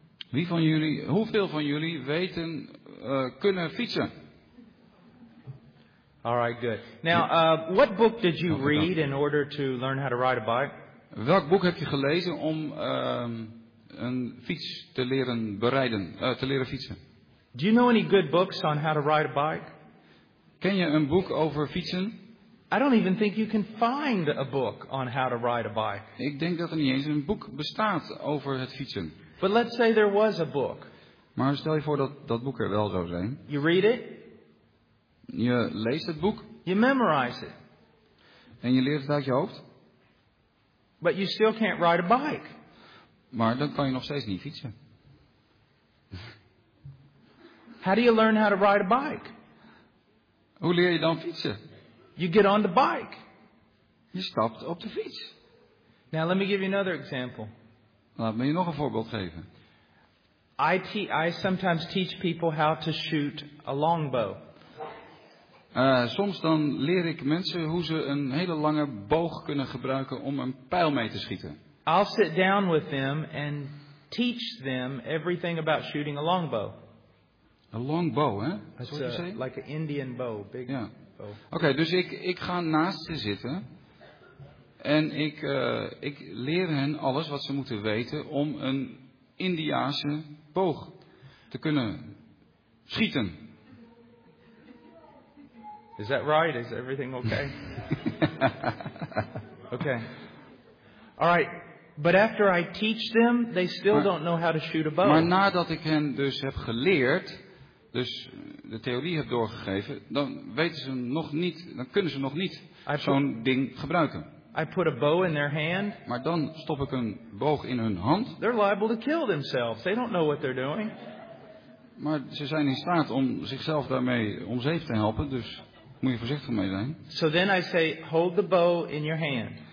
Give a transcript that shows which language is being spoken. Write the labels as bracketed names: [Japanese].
[Dutch] Wie van jullie, hoeveel van jullie weten kunnen fietsen? [English] All right, good. Now, what book did you read in order to learn how to ride a bike? [Dutch] Welk boek heb je gelezen om een fiets te leren berijden, te leren fietsen? [English] Do you know any good books on how to ride a bike? [Dutch] Ken je een boek over fietsen? [English] I don't even think you can find a book on how to ride a bike. [Dutch] Ik denk dat er niet eens een boek bestaat over het fietsen. [English] But let's say there was a book. [Dutch] Maar stel je voor dat boek er wel zou zijn. [English] You read it. [Dutch] Je leest het boek. [English] You memorize it. [Dutch] En je leert het uit je hoofd. [English] But you still can't ride a bike. [Dutch] Maar dan kan je nog steeds niet fietsen. [English] How do you learn how to ride a bike? [Dutch] Hoe leer je dan fietsen? [English] You get on the bike. [Dutch] Je stapt op de fiets. [English] Now let me give you another example. [Dutch] Laat me je nog een voorbeeld geven. [English] I sometimes teach people how to shoot a longbow. [Dutch] Soms dan leer ik mensen hoe ze een hele lange boog kunnen gebruiken om een pijl mee te schieten. [English] I'll sit down with them and teach them everything about shooting a longbow. A longbow, hè? Like an Indian bow, big. [Dutch] Ja. Okay, dus ik ga naast ze zitten. En ik leer hen alles wat ze moeten weten om een Indiaanse boog te kunnen schieten. [English] Is that right? Is everything okay? Okay. All right. But after I teach them, they still don't know how to shoot a bow. [Dutch] Maar nadat ik hen dus heb geleerd, dus de theorie heb doorgegeven, dan kunnen ze nog niet zo'n ding gebruiken. [English] I put a bow in their hand. [Dutch] Maar dan stop ik een boog in hun hand. [English] They're liable to kill themselves. They don't know what they're doing. [Dutch] Maar ze zijn in staat om zichzelf daarmee om zeep te helpen, dus moet je voorzichtig mee zijn. [English] So then I say, hold the bow in your hand.